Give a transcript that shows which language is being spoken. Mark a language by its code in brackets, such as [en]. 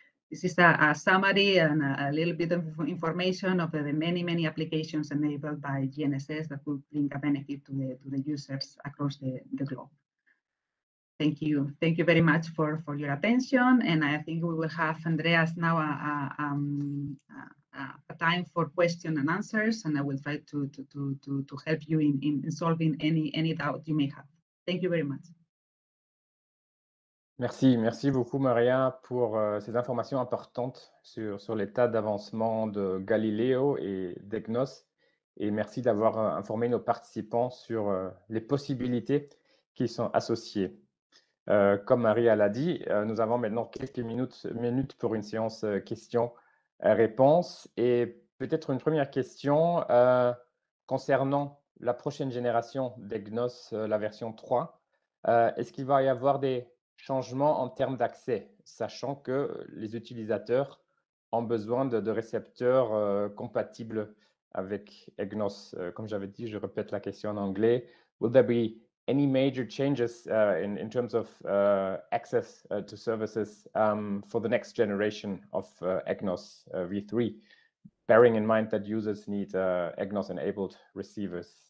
[en] This is a summary and a little bit of information of the many, many applications enabled by GNSS that could bring a benefit to the users across the globe. Thank you. Thank you very much for your attention. And I think we will have Andreas now a time for questions and answers, and I will try to help you in solving any doubt you may have. Thank you very much. [fr] Merci beaucoup Maria pour ces informations importantes sur l'état d'avancement de Galileo et d'EGNOS, et merci d'avoir informé nos participants sur les possibilités qui sont associées. Comme Maria l'a dit, nous avons maintenant quelques minutes pour une séance questions-réponses, et peut-être une première question concernant la prochaine génération d'EGNOS, la version 3. Est-ce qu'il va y avoir des changement en termes d'accès, sachant que les utilisateurs ont besoin de récepteurs compatibles avec EGNOS. Comme j'avais dit, je répète la question en anglais. [en] Will there be any major changes in terms of access to services for the next generation of EGNOS V3, bearing in mind that users need EGNOS-enabled receivers?